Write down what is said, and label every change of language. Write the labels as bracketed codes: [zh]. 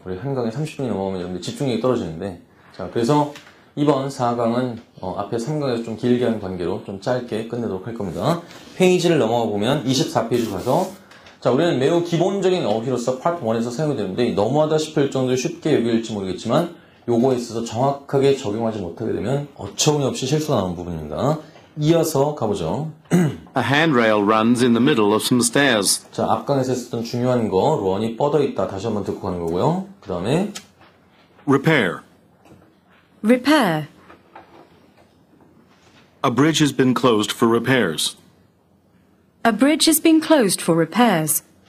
[ko] 우리 1강에 30분이 넘어가면 여러분들 집중력이 떨어지는데. 자, 그래서 이번 4강은 앞에 3강에서 좀 길게 한 관계로 좀 짧게 끝내도록 할 겁니다. 페이지를 넘어가 보면 24페이지 가서, 자, 우리는 매우 기본적인 어휘로서 파트 1에서 사용되는데, 너무하다 싶을 정도로 쉽게 여길지 모르겠지만 요거에 있어서 정확하게 적용하지 못하게 되면 어처구니없이 실수가 나는 부분입니다. 이어서 가보죠. [en] A handrail runs in the middle of some stairs. [ko] 자, 앞강에서 했었던 중요한 거, 런이 뻗어 있다. 다시 한번 듣고 가는 거고요. 그 다음에 [en] Repair. Repair. A bridge has been closed for repairs. A bridge has been closed for repairs.